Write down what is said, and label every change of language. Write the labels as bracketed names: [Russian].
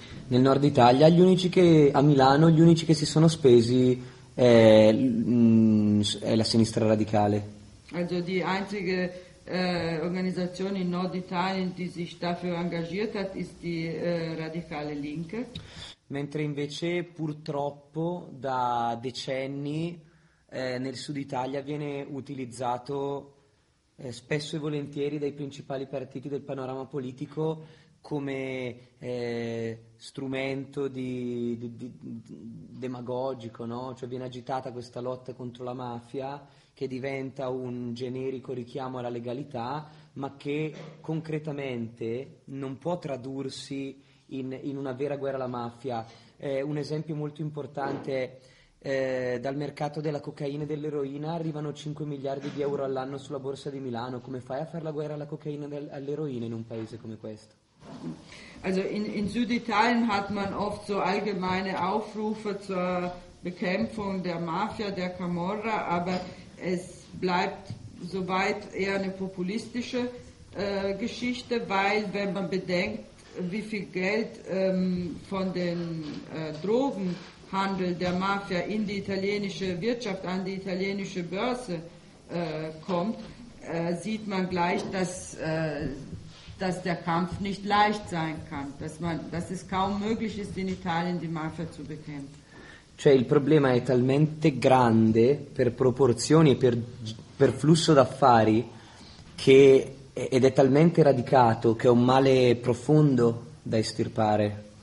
[Italian] Nel nord Italia gli unici che a Milano gli unici che si sono spesi è la sinistra radicale. [German] Also die einzige Organisation in Norditalien, die sich dafür engagiert hat, ist die Radikale Linke. [Italian] Mentre invece, purtroppo, da decenni nel sud Italia viene utilizzato spesso e volentieri dai principali partiti del panorama politico come strumento di demagogico, no? Cioè viene agitata questa lotta contro la mafia che diventa un generico richiamo alla legalità, ma che concretamente non può tradursi in una vera guerra alla mafia. Un esempio molto importante è dal mercato della cocaina e dell'eroina arrivano 5 miliardi di euro all'anno sulla borsa di Milano. Come fai a fare la guerra alla cocaina e all'eroina in un paese come questo? [German] Also in Süditalien hat man oft so allgemeine Aufrufe zur Bekämpfung der Mafia, der Camorra, aber es bleibt soweit eher eine populistische Geschichte, weil wenn man bedenkt, wie viel Geld von den Drogenhandel der Mafia in die italienische Wirtschaft, an die italienische Börse kommt, sieht man gleich, dass der Kampf nicht leicht sein kann, dass es kaum möglich ist, in Italien die Mafia zu bekämpfen. [Italian] Cioè il problema è talmente grande per proporzioni e per flusso d'affari che, ed è talmente radicato che è un male profondo da estirpare.